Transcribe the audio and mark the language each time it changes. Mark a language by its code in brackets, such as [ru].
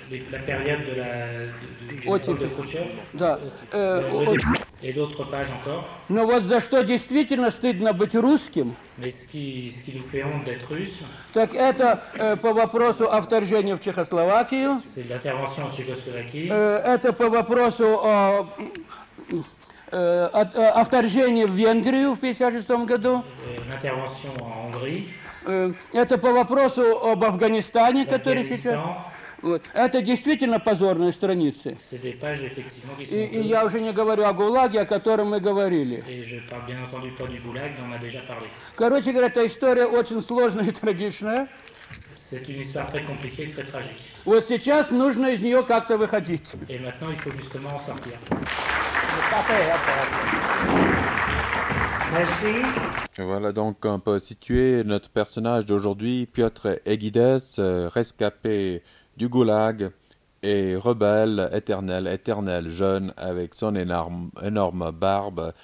[fr] La période de la de Khrushchev, [ru] да. [fr] Et d'autres pages encore. [ru] Но вот за что действительно стыдно быть русским. [fr] Mais ce qui nous fait honte d'être russe. [ru] Так это по вопросу о вторжении в Чехословакию. [fr] C'est l'intervention en Tchécoslovaquie. [ru] Это по вопросу о вторжении в Венгрию в 56-м году. [fr] L'intervention en Hongrie. [ru] Это по вопросу об Афганистане, который сейчас... Вот. Это действительно позорные страницы. [fr] C'est des pages, effectivement, qui sont [ru] и я уже не говорю о ГУЛАГе, о котором мы говорили. [fr] Et je parle bien entendu pas du ГУЛАГ, dont on a déjà parlé. [ru] Короче говоря, эта история очень сложная и трагичная. [fr] C'est une histoire très compliquée, très tragique. [ru] Вот сейчас нужно из нее как-то выходить. [fr] Et maintenant, il faut justement en sortir. Merci. Voilà donc un peu situé notre personnage d'aujourd'hui, Piotr Egides, rescapé du goulag et rebelle éternel jeune avec son énorme barbe.